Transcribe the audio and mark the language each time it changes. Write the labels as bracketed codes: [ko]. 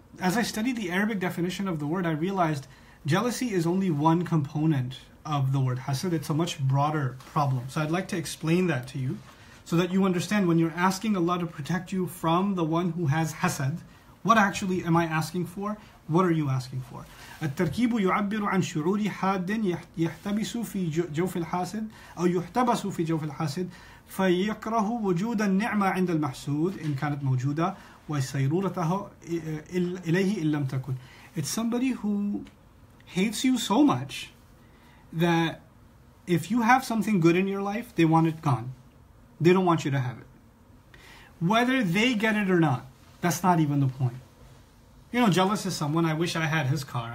[en] as I studied the Arabic definition of the word, I realized jealousy is only one component of the word hasad. It's a much broader problem. So I'd like to explain that to you so that you understand when you're asking Allah to protect you from the one who has hasad, what actually am I asking for? What are you asking for? [ar] التركيب يعبر عن شعور حاد يحتبس في جوف الحاسد أو يحتبس في جوف الحاسد فيكره وجود النعمة عند المحسود إن كانت موجودة وسيرورته إليه إن لم تكن. [en] It's somebody who hates you so much that if you have something good in your life, they want it gone. They don't want you to have it. Whether they get it or not, that's not even the point. You know, jealous is someone, I wish I had his car.